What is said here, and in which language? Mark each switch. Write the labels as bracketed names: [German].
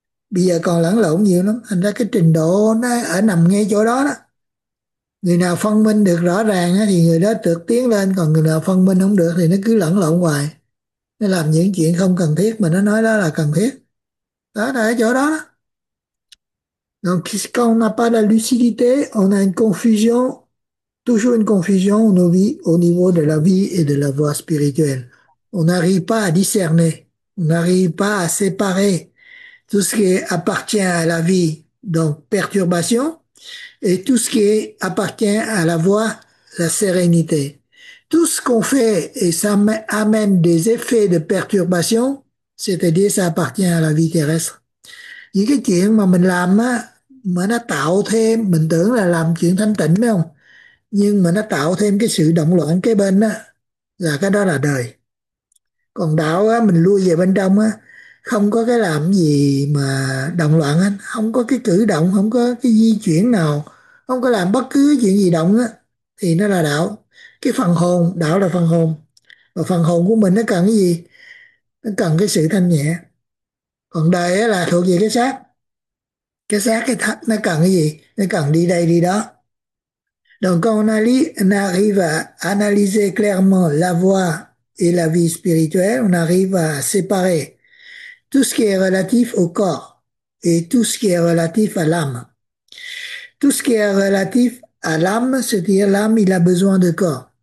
[Vietnamese] Bây giờ còn lẫn lộn nhiều lắm, thành ra cái trình độ nó ở nằm ngay chỗ đó đó. Người nào phân minh được rõ ràng thì người đó được tiến lên, còn người nào phân minh không được thì nó cứ lẫn lộn hoài. Nó làm những chuyện không cần thiết mà nó nói đó là cần thiết. Đó là ở chỗ đó đó. [French] Donc, quand on n'a pas la lucidité, on a une confusion. Toujours une confusion dans nos vies, au niveau de la vie et de la voie spirituelle. On n'arrive pas à discerner, on n'arrive pas à séparer tout ce qui appartient à la vie, donc perturbation, et tout ce qui appartient à la voie, la sérénité. Tout ce qu'on fait et ça amène des effets de perturbation, c'est-à-dire ça appartient à la vie terrestre. Il y a quelque chose que je fais, [Vietnamese] mà nó tạo thêm, mình tưởng là làm chuyện thanh tịnh phải không, nhưng mà nó tạo thêm cái sự động loạn kế bên đó, là cái đó là đời. Còn đạo á, mình lui về bên trong á, không có cái làm gì mà động loạn á, không có cái cử động, không có cái di chuyển nào, không có làm bất cứ chuyện gì động á, thì nó là đạo. Cái phần hồn, đạo là phần hồn, và phần hồn của mình nó cần cái gì? Nó cần cái sự thanh nhẹ. Còn đời á là thuộc về cái xác, cái xác cái thật nó cần cái gì? Nó cần đi đây đi đó. [French] Donc quand on arrive à analyser clairement la voie et la vie spirituelle, on arrive à séparer tout ce qui est relatif au corps et tout ce qui est relatif à l'âme. Tout ce qui est relatif à l'âme, c'est-à-dire l'âme, il a besoin de corps.